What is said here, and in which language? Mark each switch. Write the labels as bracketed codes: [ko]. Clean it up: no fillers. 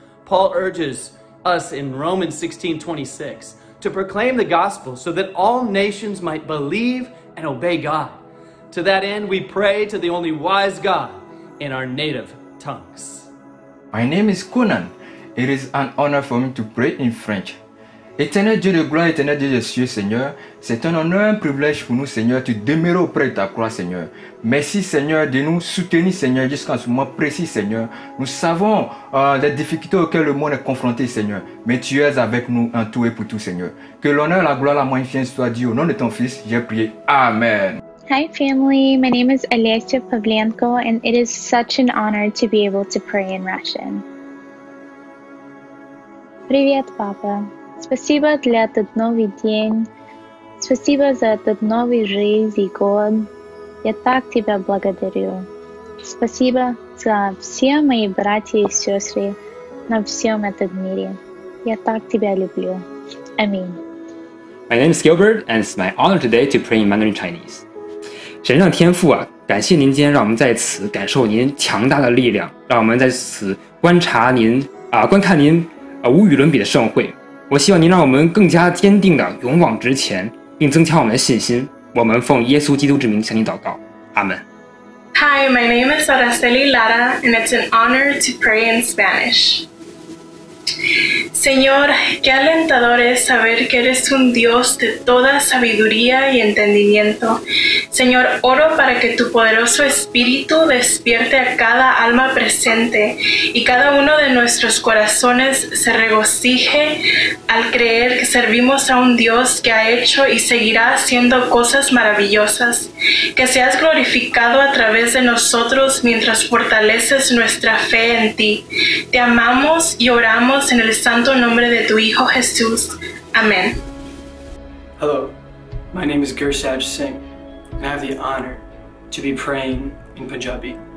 [en] Paul urges us in Romans 16:26 to proclaim the gospel so that all nations might believe and obey God. To that end, we pray to the only wise God in our native tongues. My name is Kunan. It is an honor for me to pray in French. [fr] Éternel Dieu de gloire, éternel Dieu de cieux, Seigneur, c'est un honneur, un privilège pour nous, Seigneur, de demeurer auprès de ta croix, Seigneur. Merci, Seigneur, de nous soutenir, Seigneur, jusqu'en ce moment précis, Seigneur. Nous savons les difficultés auxquelles le monde est confronté, Seigneur, mais tu es avec nous en tout et pour tout, Seigneur. Que l'honneur, la gloire, la magnificence soit dû au nom de ton Fils, j'ai prié. Amen. [en] Hi, family. My name is Alessia Pavlenko, and it is such an honor to be able to pray in Russian. [ru] Привет, папа. Спасибо для этот новый день. Спасибо за этот новый жизнь и год. Я так тебя благодарю. Спасибо за все мои братья и сестры на всем этом мире. Я так тебя люблю. Аминь. [en] My name is Gilbert, and it's my honor today to pray in Mandarin Chinese. [zh] 神圣天父啊，感谢您今天让我们在此感受您强大的力量，让我们在此观察您观看您无与伦比的盛会。我希望您让我们更加坚定地勇往直前，并增强我们的信心。我们奉耶稣基督之名向您祷告，阿门。 [en] Hi, my name is Araceli Lara, and it's an honor to pray in Spanish. [es] Señor, qué alentador es saber que eres un Dios de toda sabiduría y entendimiento. Señor, oro para que tu poderoso Espíritu despierte a cada alma presente y cada uno de nuestros corazones se regocije al creer que servimos a un Dios que ha hecho y seguirá haciendo cosas maravillosas. Que seas glorificado a través de nosotros mientras fortaleces nuestra fe en ti. Te amamos y oramos en el santo nombre de tu Hijo Jesús. Amén. [en] Hello, my name is Gursaj Singh. I have the honor to be praying in Punjabi.